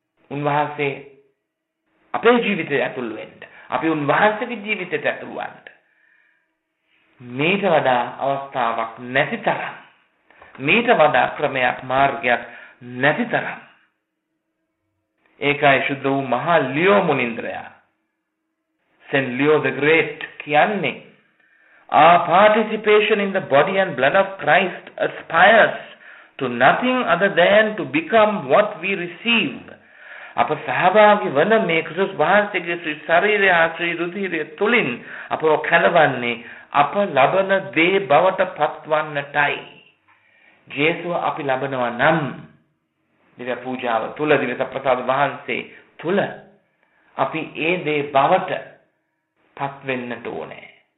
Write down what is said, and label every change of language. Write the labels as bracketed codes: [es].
[si] උන්වහන්සේ අපේ ජීවිතය ඇතුල් වෙන්න, අපි උන්වහන්සේගේ ජීවිතයට ඇතුල් වන්න මේට වඩා අවස්ථාවක් නැති තරම්, මේට වඩා ක්‍රමයක් මාර්ගයක් නැති තරම්. ඒකයි ශුද්ධ වූ මහා ලියෝ මුනින්ද්‍රයා සෙන් ලියෝ ද ග්‍රේට් කියන්නේ, [en] our participation in the body and blood of Christ aspires to nothing other than to become what we receive. [si] අප සහභාගි වන මේ ක්‍රිස්තුස් වහන්සේගේ ශරීරය ආශ්‍රී රුධිරය තුලින් අප කැලවන්නේ අප ලබන දේ බවට පත්වන්නටයි. ජේසුව අපි ලබනවා නම් දිව්‍ය පූජාව තුල, දිව්‍ය ප්‍රසාද වහන්සේ තුල අපි ඒ දේ බවට පත් වෙන්නට ඕනේ.